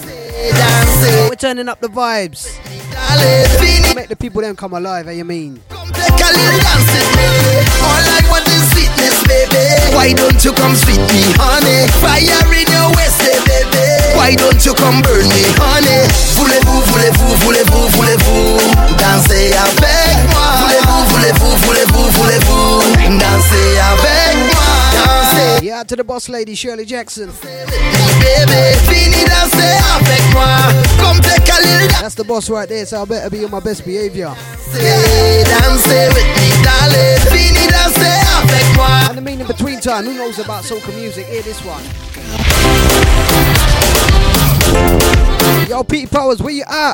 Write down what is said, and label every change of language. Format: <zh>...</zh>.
<en>Dance, we're turning up the vibes. Darling, make the people them come alive, how you mean? Come take a little dance with me. All I want is sweetness, baby. Why don't you come sweet me, honey? Fire in your waist, baby. Why don't you come burn me, honey?</en> <fr>Voulez-vous, voulez-vous, voulez-vous, voulez-vous danser avec moi? Voulez-vous, voulez-vous, voulez-vous, voulez-vous danser avec moi? Danser.</fr> <en>Yeah, to the boss lady, Shirley Jackson.</en> <fr>Baby, fini danser avec moi.</fr> <en>Come take a little dance. That's the boss right there, so I better be on my best behavior. Dance with me, darling.</en> <fr>Fini danser avec moi.</fr> <en>And the meaning between time, who knows about soca music? Hear this one. Yo, Pete Powers, where you at?</en>